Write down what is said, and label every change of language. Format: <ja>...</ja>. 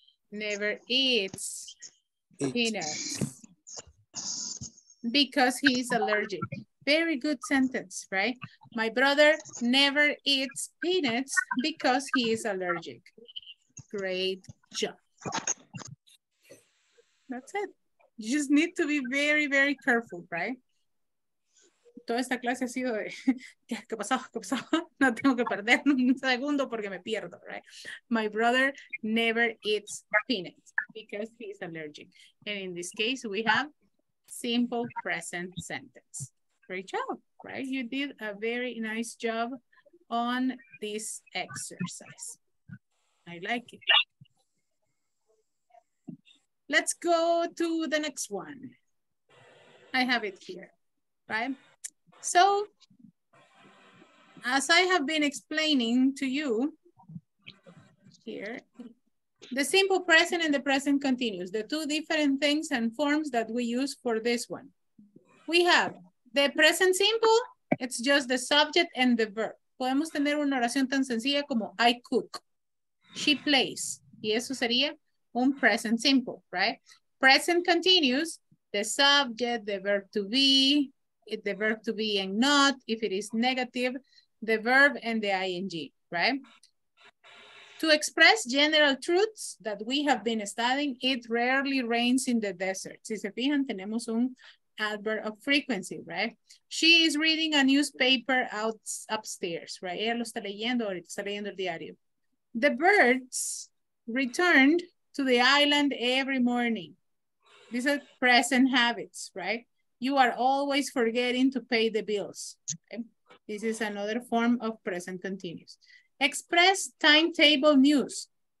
<en>Never eats peanuts because he's allergic. Very good sentence, right? My brother never eats peanuts because he is allergic. Great job. That's it. You just need to be very, very careful, right?</en> <es>Toda esta clase ha sido de, ¿qué pasó? ¿Qué pasó? No tengo que perder un segundo porque me pierdo, right?</es> <en>My brother never eats peanuts because he's allergic. And in this case, we have simple present sentence. Great job, right? You did a very nice job on this exercise. I like it. Let's go to the next one. I have it here, right? So, as I have been explaining to you here, the simple present and the present continuous, the two different things and forms that we use for this one. We have the present simple, it's just the subject and the verb.</en> <es>Podemos tener una oración tan sencilla como</es> <en>I cook, she plays,</en> <es>y eso sería un present simple, right?</es> <en>Present continuous, the subject, the verb to be, the verb to be and not, if it is negative, the verb and the ing, right? To express general truths that we have been studying, it rarely rains in the desert.</en> <es>Si se fijan, tenemos un adverb of frequency, right?</es> <en>She is reading a newspaper upstairs, right?</en> <es>Ella lo está leyendo, ahorita está leyendo el diario.</es> <en>The birds returned to the island every morning. These are present habits, right? You are always forgetting to pay the bills. Okay? This is another form of present continuous. Express timetable news.</en>